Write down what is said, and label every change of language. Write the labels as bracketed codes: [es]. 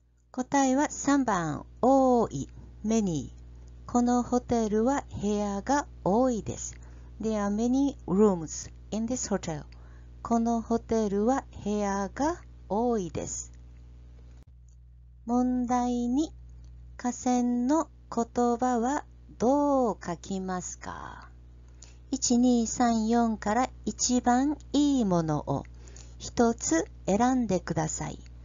[ja] 答えは3番、多い、many。このホテルは部屋が多いです。 [en] There are many rooms in this hotel。 [ja] このホテルは部屋が多いです。問題2。河川の言葉はどう書きますか？ 1、2、3、4から一番いいものを一つ選んでください。